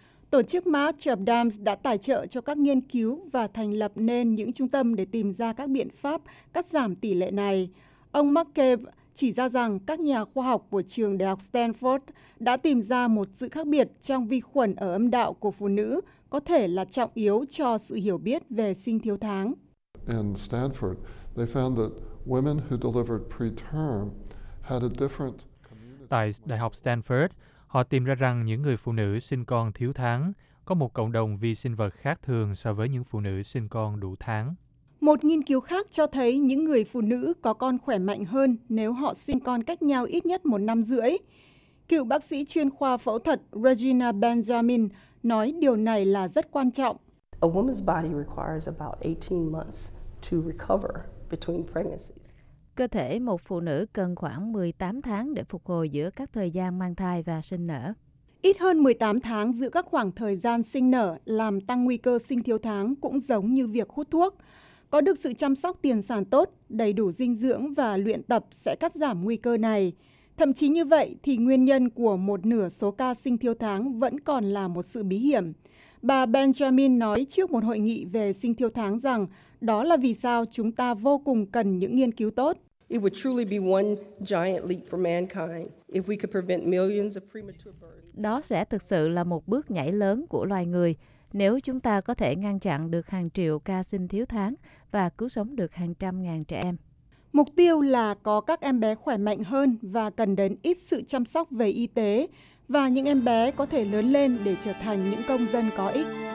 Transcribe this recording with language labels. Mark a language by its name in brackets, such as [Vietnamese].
[Vietnamese] Tổ chức March of Dimes đã tài trợ cho các nghiên cứu và thành lập nên những trung tâm để tìm ra các biện pháp cắt giảm tỷ lệ này. Ông Markev chỉ ra rằng các nhà khoa học của trường Đại học Stanford đã tìm ra một sự khác biệt trong vi khuẩn ở âm đạo của phụ nữ có thể là trọng yếu cho sự hiểu biết về sinh thiếu tháng. [English] In Stanford, they found that women who delivered preterm had a different community. [Vietnamese] Tại Đại học Stanford, họ tìm ra rằng những người phụ nữ sinh con thiếu tháng có một cộng đồng vi sinh vật khác thường so với những phụ nữ sinh con đủ tháng. Một nghiên cứu khác cho thấy những người phụ nữ có con khỏe mạnh hơn nếu họ sinh con cách nhau ít nhất 1.5 năm. Cựu bác sĩ chuyên khoa phẫu thuật Regina Benjamin nói điều này là rất quan trọng. [English] A woman's body requires about 18 months to recover between pregnancies. [Vietnamese] Cơ thể một phụ nữ cần khoảng 18 tháng để phục hồi giữa các thời gian mang thai và sinh nở. Ít hơn 18 tháng giữa các khoảng thời gian sinh nở làm tăng nguy cơ sinh thiếu tháng cũng giống như việc hút thuốc. Có được sự chăm sóc tiền sản tốt, đầy đủ dinh dưỡng và luyện tập sẽ cắt giảm nguy cơ này. Thậm chí như vậy thì nguyên nhân của một nửa số ca sinh thiếu tháng vẫn còn là một sự bí hiểm. Bà Benjamin nói trước một hội nghị về sinh thiếu tháng rằng đó là vì sao chúng ta vô cùng cần những nghiên cứu tốt. [English] It would truly be one giant leap for mankind if we could prevent millions of premature births. [Vietnamese] Đó sẽ thực sự là một bước nhảy lớn của loài người nếu chúng ta có thể ngăn chặn được hàng triệu ca sinh thiếu tháng và cứu sống được hàng trăm ngàn trẻ em. Mục tiêu là có các em bé khỏe mạnh hơn và cần đến ít sự chăm sóc về y tế, và những em bé có thể lớn lên để trở thành những công dân có ích.